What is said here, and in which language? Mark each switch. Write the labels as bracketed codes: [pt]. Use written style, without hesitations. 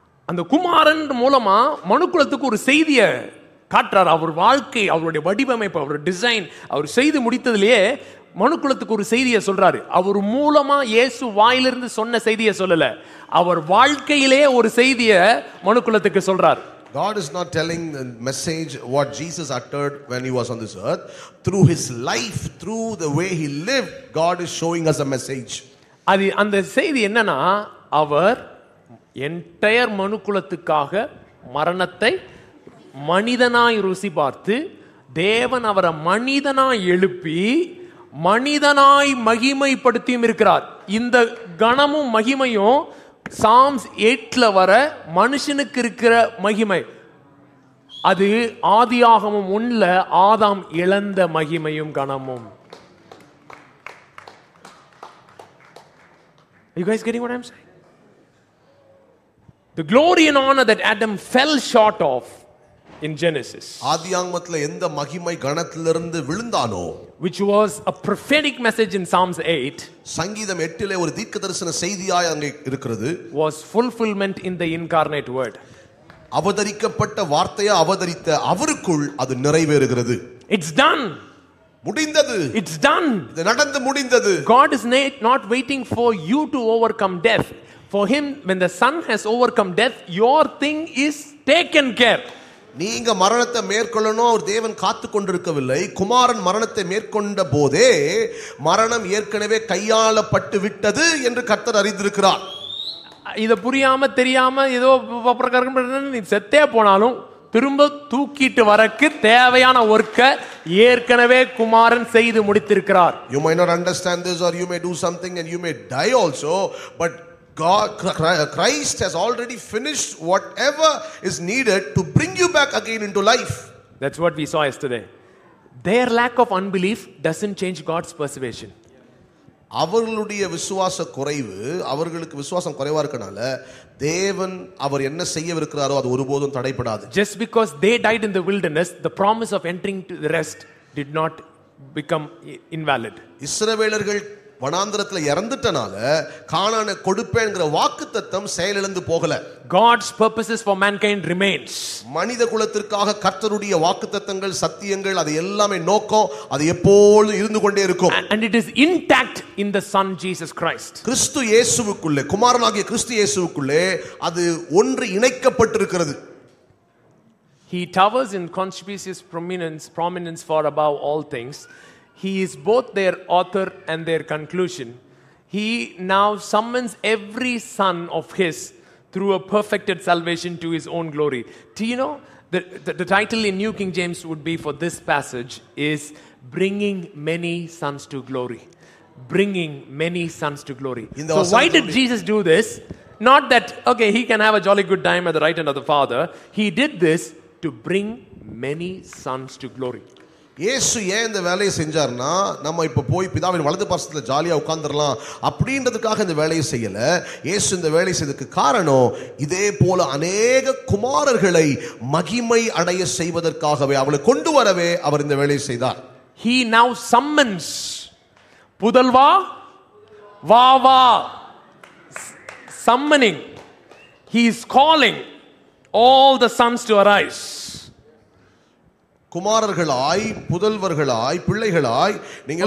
[ta] அந்த குமாரன் மூலமா மனுக்குலத்துக்கு ஒரு செய்திய காட்டுறார். அவர் வாழ்க்கை, அவருடைய வடிவமைப்பு, அவருடைய டிசைன், அவர் செய்து முடித்ததுலயே மனுக்குலத்துக்கு ஒரு செய்தியை சொல்றாரு. அவர் மூலமா இயேசு வாயிலிருந்து சொன்ன செய்தியை சொல்லல, அவர் வாழ்க்கையிலே ஒரு செய்தியை மனுக்குலத்துக்கு சொல்றார். [en] God is not telling the message what Jesus uttered when he was on this earth. Through his life, through the way he lived, God is showing us a message. [ta] அது அந்த செய்தி என்னன்னா, அவர் என்டையர் மனுக்குலத்துக்காக மரணத்தை மனிதனாய் ருசி பார்த்து, தேவன் அவரை மனிதனாய் எழுப்பி மனிதனாய் மகிமைப்படுத்தியும் இருக்கிறார். இந்த கணமும் மகிமையும் சாம்ஸ் 8ல வர மனுஷனுக்கு இருக்கிற மகிமை, அது ஆதியாகமும் 1ல ஆதாம் இழந்த மகிமையும் கணமும். [en] Are you guys getting what I'm saying? The glory and honor that Adam fell short of in Genesis, [ta] ஆதியாகமத்திலே எந்த மகிமை கணத்திலிருந்து விழுந்தானோ, [en] which was a prophetic message in Psalms 8, [ta] சங்கீதம் 8லே ஒரு தீர்க்கதரிசன செய்தியாய் அங்கே இருக்கிறது, [en] was fulfillment in the incarnate word. [ta] அவதரிக்கப்பட்ட வார்த்தையை அவதரித்த அவருக்குள் அது நிறைவேறுகிறது. [en] It's done. [ta] முடிந்தது. [en] It's done. [ta] இது நடந்து முடிந்தது. [en] God is not waiting for you to overcome death. For him, when the son has overcome death, your thing is taken care. [ta] நீங்க மரணத்தை மேற்கொள்ளணும் அவர் தேவன் காத்து கொண்டிருக்கவில்லை. குமாரன் மரணத்தை மேற்கொண்ட போதே மரணம் ஏற்கனவே கையாளப்பட்டு விட்டது என்று கர்த்தர் அறிந்திருக்கிறார். இத புரியாம தெரியாம ஏதோ செத்தே போனாலும் திரும்ப தூக்கிட்டு வரக்கு தேவையான ஒர்க்க ஏற்கனவே குமாரன் செய்து முடித்திருக்கிறார். [en] You may not understand this or you may do something and you may die also, but God, Christ has already finished whatever is needed to bring you back again into life. That's what we saw yesterday. Their lack of unbelief doesn't change God's persuasion. [ta] அவர்களுடைய விசுவாச குறைவு, அவர்களுக்கு விசுவாசம் குறைவா இருக்கனால தேவன் அவர் என்ன செய்ய இருக்கிறாரோ அது ஒருபோதும் தடைபடாது. [en] Just because they died in the wilderness, the promise of entering to the rest did not become invalid. [ta] இஸ்ரவேலர்கள் வனாந்திரத்தில் இறந்துட்டனால கானான கொடுப்பேன்ங்கிற வாக்குத்தத்தம் செயலிழந்து போகல. [en] God's purposes for mankind remains. [ta] மனித குலத்திற்காக கர்த்தருடைய வாக்குத்தத்தங்கள், சத்தியங்கள், அது எல்லாமே நோக்கம், அது எப்பொழுதும் இருந்து கொண்டே இருக்கும். [en] And it is intact in the Son Jesus Christ. [ta] கிறிஸ்து இயேசுவுக்குள்ளே, குமாரனாகிய கிறிஸ்து இயேசுவுக்குள்ளே அது ஒன்று இணைக்கப்பட்டிருக்கிறது. [en] He towers in conspicuous prominence for above all things. He is both their author and their conclusion. He now summons every son of his through a perfected salvation to his own glory. Do you know the title in New King James would be for this passage is bringing many sons to glory. bringing many sons to glory. So why did Jesus do this? Not that, okay, he can have a jolly good time at the right hand of the Father. He did this to bring many sons to glory. [ta] இயேசு ஏன் இந்த வேலையை செஞ்சார்னா, நம்ம இப்ப போய் பிதாவின் வலது பாசத்துல ஜாலியா உட்கார்ந்துடலாம் அப்படின்றதுக்காக இந்த வேலையை செய்யல. இயேசு இந்த வேலையை செய்ததுக்கு காரணம், இதே போல அநேக குமாரர்களை மகிமை அடைய செய்வதற்காகவே, அவளை கொண்டு வரவே அவர் இந்த வேலையை செய்தார். [en] He now summons, [ta] புதல்வா வா வா. [en] Summoning, he is calling all the sons to arise. [ta] குமாரர்களாய், புதல்வர்களாய், பிள்ளைகளாய், நீங்க